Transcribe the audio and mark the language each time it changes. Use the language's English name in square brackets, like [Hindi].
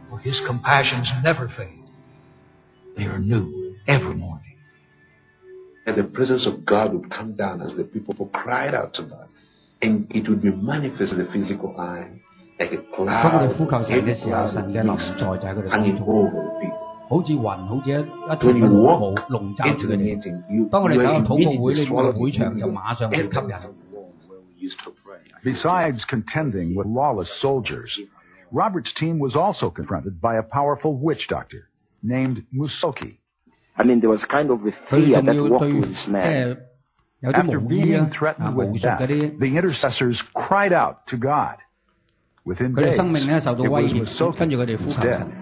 [English] For his compassions never fade. They are new every morning. And the presence of God would come down as the people cried out to God. And it would be manifest in the physical eye, like a cloud, heavy cloud, hanging over the people. [Cantonese] 好似雲，好似一團霧籠罩住佢哋。當我哋搞禱告會，你個會場就馬上被吸引。 [English] Besides contending with lawless soldiers, Robert's team was also confronted by a powerful witch doctor named Musoki. I mean, there was kind of a fear that walked with this man. After being threatened with death, the intercessors cried out to God. Within days, [Cantonese] 他的生命呢受到威胁，跟住佢哋呼求神。